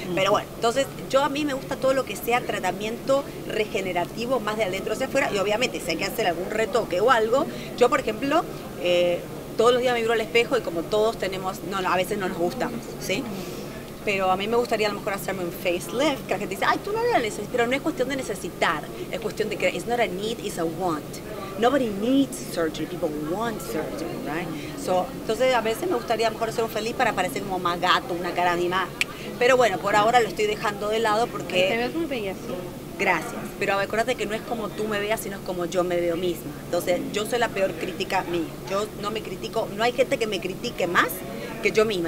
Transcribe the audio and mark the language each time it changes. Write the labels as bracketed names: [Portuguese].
[Spanish] Pero bueno, entonces yo a mí me gusta todo lo que sea tratamiento regenerativo más de adentro hacia afuera, y obviamente si hay que hacer algún retoque o algo, yo por ejemplo, todos los días me miro al espejo y como todos tenemos, no, a veces no nos gusta, ¿sí? Pero a mí me gustaría a lo mejor hacerme un facelift, que la gente dice, ay, tú no lo necesitas, pero no es cuestión de necesitar, es cuestión de que [English] it's not a need, it's a want. Nobody needs surgery, people want surgery, right? [Spanish] So, entonces a veces me gustaría a lo mejor hacer un feliz para parecer como más gato, una cara animada. Pero bueno, por ahora lo estoy dejando de lado porque... Te ves muy bella, sí. Gracias. Pero acuérdate que no es como tú me veas, sino es como yo me veo misma. Entonces, yo soy la peor crítica mía. Yo no me critico, no hay gente que me critique más que yo misma.